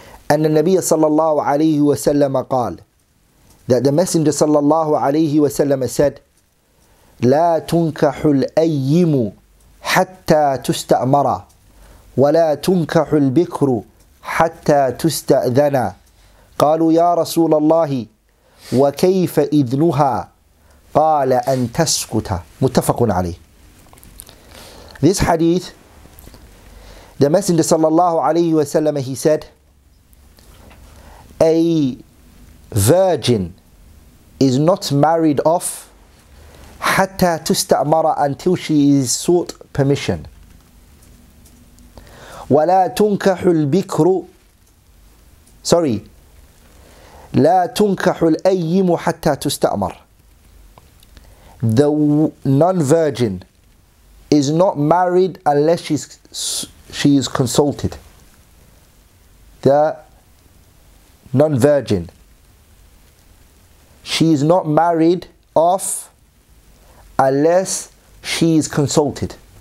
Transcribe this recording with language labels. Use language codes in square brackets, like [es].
[ar] أن النبي صلى الله عليه وسلم قال [en] that the messenger [ar] صلى الله عليه وسلم [en] said [ar] لا تنكح الأيم حتى تستأمر ولا تنكح البكر حتى تستأذن قالوا يا رسول الله وكيف إذنها قال أن تسكت متفق عليه. [en] This hadith, the Messenger sallallahu alayhi wa sallam, he said, a virgin is not married off [ar] حتى تستأمر, [en] until she is sought permission. [ar] ولا تنكح البكر, sorry, لا تنكح الأيم حتى تستأمر. [en] The non-virgin is not married unless she is consulted. The non-virgin, she is not married off unless she is consulted.